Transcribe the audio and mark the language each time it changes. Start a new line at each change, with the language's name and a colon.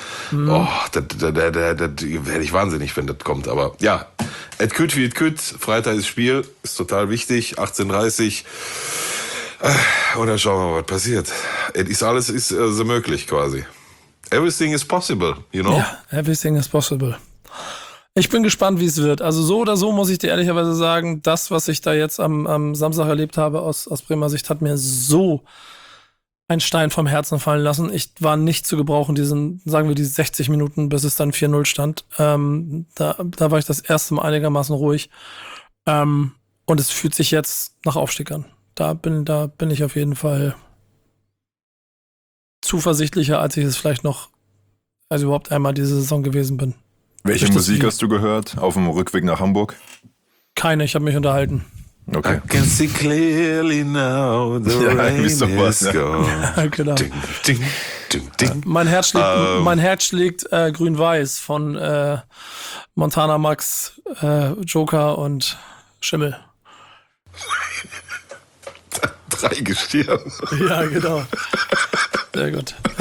German: Hm. Oh, da werde ich wahnsinnig, wenn das kommt. Aber ja,
Colognian: et kütt wie et kütt.
German: Freitag ist Spiel, ist total wichtig. 18:30 und dann schauen wir mal, was passiert. Alles ist möglich quasi.
English: Everything is possible, you know? Yeah, everything is possible.
German: Ich bin gespannt, wie es wird. Also so oder so muss ich dir ehrlicherweise sagen, das, was ich da jetzt am Samstag erlebt habe aus Bremer Sicht, hat mir so einen Stein vom Herzen fallen lassen. Ich war nicht zu gebrauchen, die 60 Minuten, bis es dann 4-0 stand. Da war ich das erste Mal einigermaßen ruhig. Und es fühlt sich jetzt nach Aufstieg an. Da bin ich auf jeden Fall zuversichtlicher, als ich es vielleicht noch, also überhaupt einmal diese Saison gewesen bin. Welche Musik hast du gehört auf dem Rückweg nach Hamburg? Keine, ich habe mich unterhalten.
English: Okay. I can see clearly now the rain is gone.
German: Ja, genau. Ding, ding, ding, ding. Mein Herz schlägt Grün-Weiß von Montana Max, Joker und Schimmel. Drei Gestirn. Ja, genau. Sehr gut.